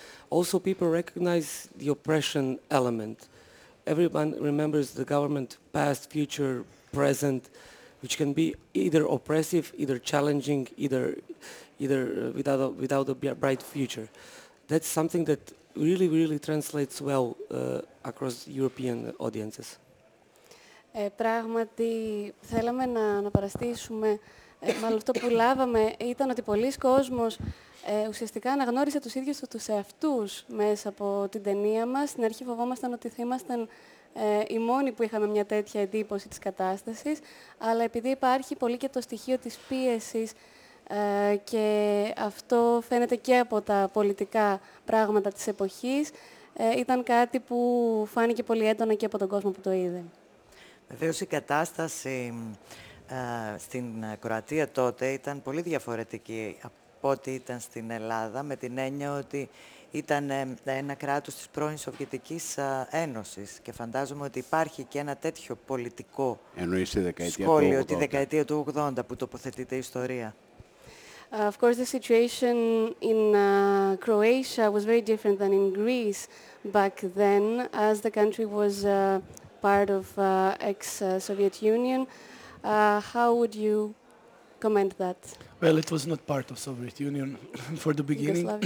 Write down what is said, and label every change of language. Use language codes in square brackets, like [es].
[en] Also, people recognize the oppression element. Everyone remembers the government, past, future, present, which can be either oppressive, either challenging, either without a bright future. That's something that really, really translates well across European audiences. [el] Πράγματι, θέλαμε να αναπαραστήσουμε, μάλλον αυτό που λάβαμε ήταν ότι πολλοί κόσμος ουσιαστικά αναγνώρισε τους ίδιους τους εαυτούς μέσα από την ταινία μας. Στην αρχή φοβόμασταν ότι θα ήμασταν οι μόνοι που είχαμε μια τέτοια εντύπωση της κατάστασης, αλλά επειδή υπάρχει πολύ και το στοιχείο της πίεσης και αυτό φαίνεται και από τα πολιτικά πράγματα της εποχής, ήταν κάτι που φάνηκε πολύ έντονα και από τον κόσμο που το είδε. Βεβαίως η κατάσταση στην Κροατία τότε ήταν πολύ διαφορετική από ό,τι ήταν στην Ελλάδα, με την έννοια ότι ήταν ένα κράτος της πρώην Σοβιετικής Ένωσης και φαντάζομαι ότι υπάρχει και ένα τέτοιο πολιτικό σχόλιο τη δεκαετία του 80 που τοποθετείται η ιστορία. [en] Of course, the situation in Croatia was very different than in Greece back then, as the country was part of ex-Soviet Union. How would you comment that? Well, it was not part of Soviet Union for the beginning.